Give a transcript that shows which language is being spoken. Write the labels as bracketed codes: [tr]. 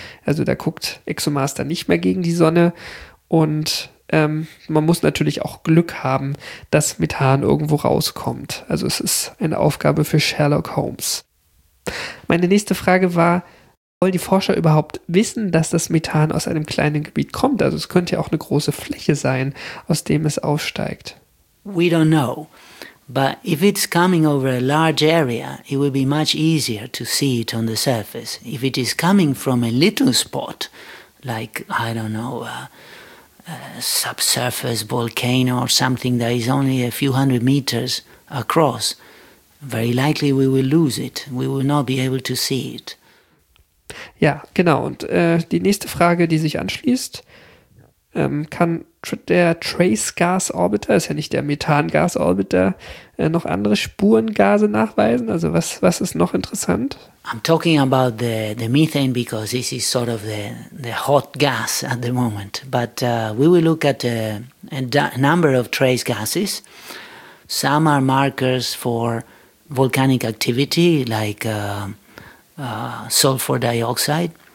[de] Also da guckt ExoMars dann nicht mehr gegen die Sonne. Und man muss natürlich auch Glück haben, dass Methan irgendwo rauskommt. Also es ist eine Aufgabe für Sherlock Holmes. Meine nächste Frage war, wollen die Forscher überhaupt wissen, dass das Methan aus einem kleinen Gebiet kommt? Also es könnte ja auch eine große Fläche sein, aus dem es aufsteigt. [en] We don't know. But if it's coming over a large area, it will be much easier to see it on the surface. If it is coming from a little spot, like, I don't know, a subsurface volcano or something that is only a few hundred meters across, very likely we will lose it. We will not be able to see it. [de] Ja, genau. Und die nächste Frage, die sich anschließt, kann der Trace-Gas-Orbiter, ist ja nicht der Methan-Gas-Orbiter, noch andere Spurengase nachweisen? Also was ist noch interessant? [en] I'm talking about the methane because this is sort of the hot gas at the moment. But we will look at a number of trace gases. Some are markers for volcanic activity, like sulfur dioxide.